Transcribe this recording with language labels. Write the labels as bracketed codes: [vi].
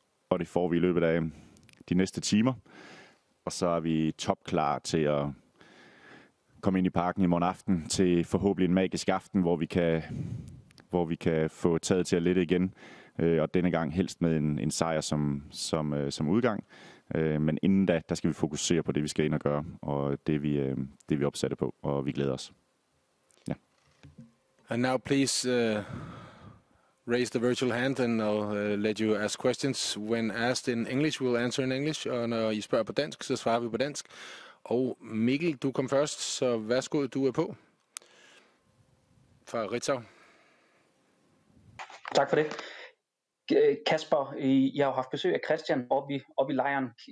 [da] Og det får vi i løbet af de næste timer. Og så er vi topklar til at komme ind i parken i morgen aften til forhåbentlig en magisk aften, hvor vi kan få taget til at lette igen. Og denne gang helst med en sejr som udgang. Men inden da, der skal vi fokusere på det, vi skal ind og gøre, og det vi opsatte på, og vi glæder os. Ja. [en] And now please raise the virtual hand, and I'll let you ask questions. When asked in English, [da] we'll answer in English, og når I spørger på dansk, så svarer vi på dansk. Og Mikkel, du kom først, så værsgo, du er på fra Ritzau. Tak for det. Kasper, jeg har haft besøg af Christian oppe i lejren.